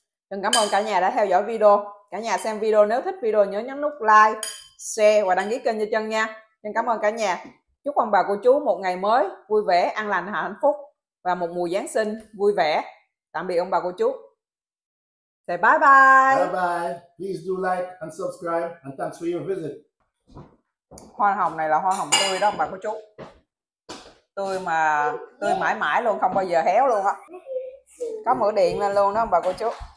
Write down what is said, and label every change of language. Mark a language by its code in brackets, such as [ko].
[vi] Trần cảm ơn cả nhà đã theo dõi video. Cả nhà xem video, nếu thích video nhớ nhấn nút like, share và đăng ký kênh cho Trần nha. Trần cảm ơn cả nhà. Chúc ông bà cô chú một ngày mới vui vẻ, an lành, hạnh phúc và một mùa Giáng sinh vui vẻ. Tạm biệt ông bà cô chú. [en] Say bye bye. Bye bye. Please do like and subscribe and thanks for your visit. [vi] Hoa hồng này là hoa hồng tươi đó ông bà cô chú. Tươi mà tươi mãi mãi luôn, không bao giờ héo luôn á. Có mở điện lên luôn đó ông bà cô chú.